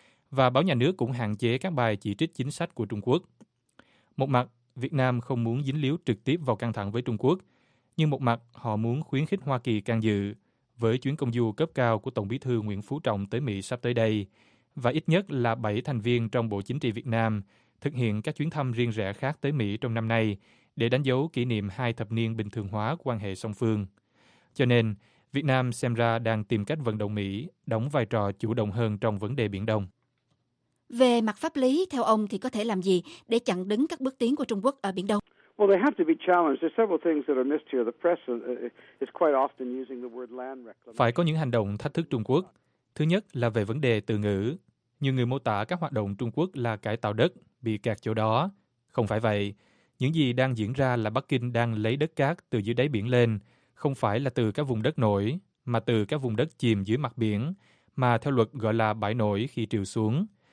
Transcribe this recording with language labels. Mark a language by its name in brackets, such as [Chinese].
[Vietnamese] Và báo nhà nước cũng hạn chế các bài chỉ trích chính sách của Trung Quốc. Một mặt, Việt Nam không muốn dính líu trực tiếp vào căng thẳng với Trung Quốc, nhưng một mặt họ muốn khuyến khích Hoa Kỳ can dự với chuyến công du cấp cao của Tổng Bí thư Nguyễn Phú Trọng tới Mỹ sắp tới đây, và ít nhất là 7 thành viên trong Bộ Chính trị Việt Nam thực hiện các chuyến thăm riêng rẽ khác tới Mỹ trong năm nay để đánh dấu kỷ niệm 2 thập niên bình thường hóa quan hệ song phương. Cho nên, Việt Nam xem ra đang tìm cách vận động Mỹ đóng vai trò chủ động hơn trong vấn đề Biển Đông. Về mặt pháp lý, theo ông thì có thể làm gì để chặn đứng các bước tiến của Trung Quốc ở Biển Đông? [English] Well, they have to be challenged. There's several things that are missed here. The press is quite often using the word land reclamation. [Vietnamese] Phải có những hành động thách thức Trung Quốc. Thứ nhất là về vấn đề từ ngữ. Nhiều người mô tả các hoạt động Trung Quốc là cải tạo đất, bị kẹt chỗ đó. Không phải vậy. Những gì đang diễn ra là Bắc Kinh đang lấy đất cát từ dưới đáy biển lên, không phải là từ các vùng đất nổi, mà từ các vùng đất chìm dưới mặt biển, mà theo luật gọi là bãi nổi khi triều xuống.